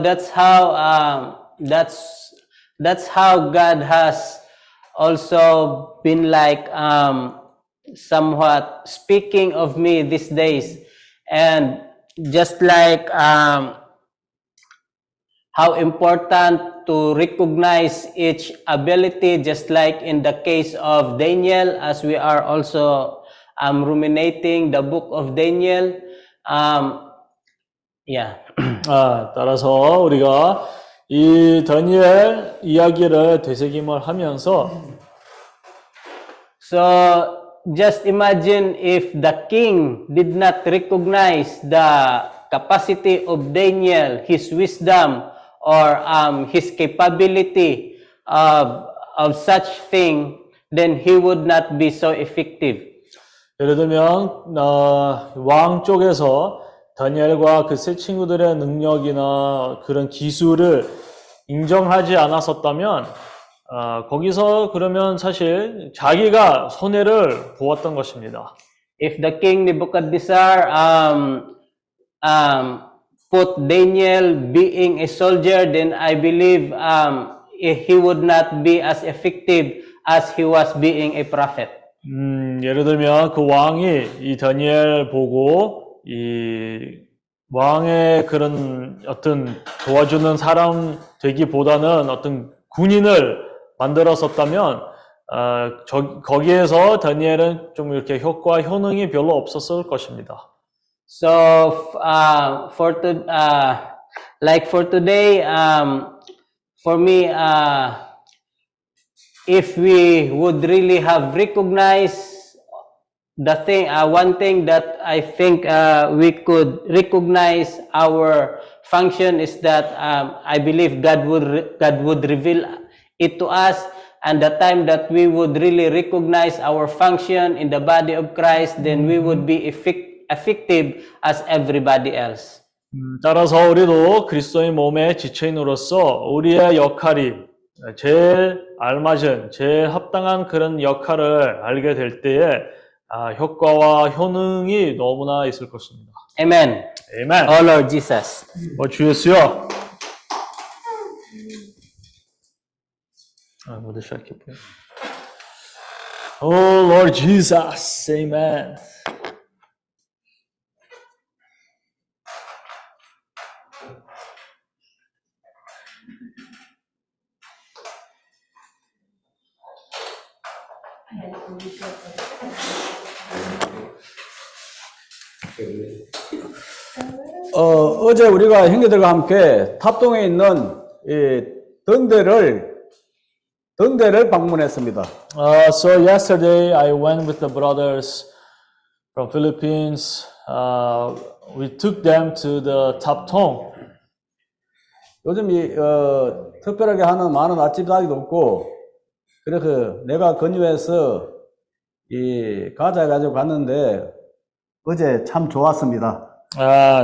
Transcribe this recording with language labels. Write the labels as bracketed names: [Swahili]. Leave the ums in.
[English] that's how um, that's that's how God has also been like um, somewhat speaking of me these days and just like um, how important to recognize each ability just like in the case of Daniel as we are also I'm ruminating the book of Daniel. Um, yeah. [Korean] 아, 따라서 우리가 이 다니엘 이야기를 되새김을 하면서 [English] So just imagine if the king did not recognize the capacity of Daniel, his wisdom or um, his capability of, of such thing, then he would not be so effective. [Korean] 예를 들면 어, 왕 쪽에서 다니엘과 그 세 친구들의 능력이나 그런 기술을 인정하지 않았었다면 어, 거기서 그러면 사실 자기가 손해를 보았던 것입니다. [English] If the king Nebuchadnezzar um, um, put Daniel being a soldier, then I believe um, he would not be as effective as he was being a prophet. [Korean] 음, 예를 들면 그 왕이 이 다니엘 보고 이 왕의 그런 어떤 도와주는 사람 되기보다는 어떤 군인을 만들었었다면 어, 저, 거기에서 다니엘은 좀 이렇게 효과 효능이 별로 없었을 것입니다. [English] So uh, for the uh, like for today um, for me uh... if we would really have recognized the thing, uh, one thing that I think uh, we could recognize our function is that um, I believe God would God would reveal it to us, and the time that we would really recognize our function in the body of Christ, then we would be effective as everybody else. 음, [Korean] 따라서 우리도 그리스도의 몸의 지체인으로서 우리의 역할이 제 알맞은, 제 합당한 그런 역할을 알게 될 때에 효과와 효능이 너무나 있을 것입니다. [English] Amen. a oh, Lord Jesus. 어, 주요 [Korean] 아, 모두 시작해 보 Lord Jesus. a m 어, 어제 우리가 형제들과 함께 탑동에 있는 이 등대를 등대를 방문했습니다. [English] Uh, so yesterday I went with the brothers from Philippines. Uh, we took them to the Top Tong. [Korean] 요즘 이 어, 특별하게 하는 많은 아침 자리도 없고, 그래서 내가 근유해서 갔는데, uh,